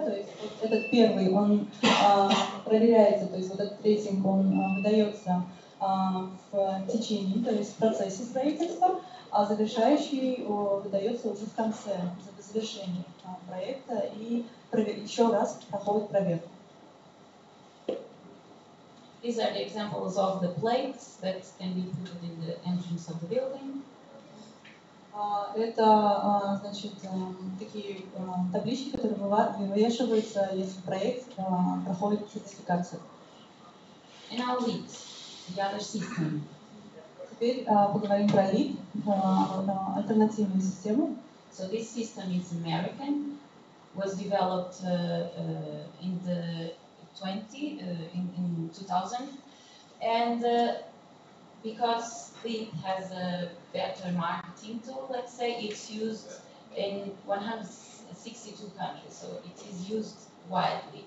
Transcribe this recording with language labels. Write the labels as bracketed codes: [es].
[ru] То есть вот этот первый, он проверяется, то есть вот этот рейтинг, он выдается в течение, то есть в процессе строительства, а завершающий выдается уже в конце, в завершении проекта и еще раз проходит проверку. [en] These are the examples of the plates that can be put in the entrance of the building. [ru] Это, значит, такие таблички, которые вывешиваются, если проект проходит сертификацию. [en] And now LEED, the other system. [ru] Теперь поговорим про LEED, альтернативную систему. [en] So this system is American, was developed in the 20 in 2000, and because it has a better marketing tool, let's say, it's used in 162 countries, so it is used widely.